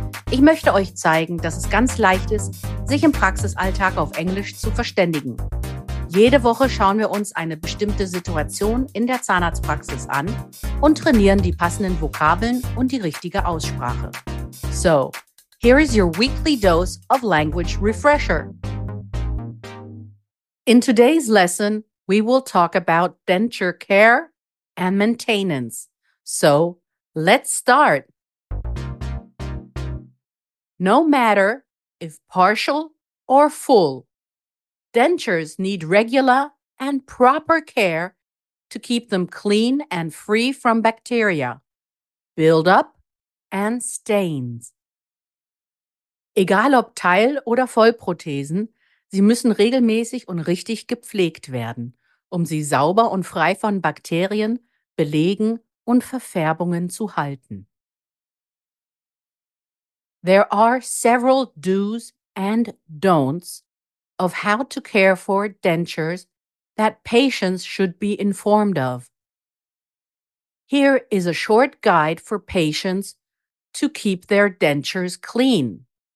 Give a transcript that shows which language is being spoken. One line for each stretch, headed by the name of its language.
German: Ich möchte euch zeigen, dass es ganz leicht ist, sich im Praxisalltag auf Englisch zu verständigen. Jede Woche schauen wir uns eine bestimmte Situation in der Zahnarztpraxis an und trainieren die passenden Vokabeln und die richtige Aussprache.
English: So, here is your weekly dose of language refresher. In today's lesson, we will talk about denture care and maintenance. So, let's start. No matter if partial or full, dentures need regular and proper care to keep them clean and free from bacteria, buildup, and stains.
German: Egal ob Teil- oder Vollprothesen, sie müssen regelmäßig und richtig gepflegt werden, um sie sauber und frei von Bakterien, Belegen und Verfärbungen zu halten.
English: There are several do's and don'ts of how to care for dentures that patients should be informed of. Here is a short guide for patients to keep their dentures clean.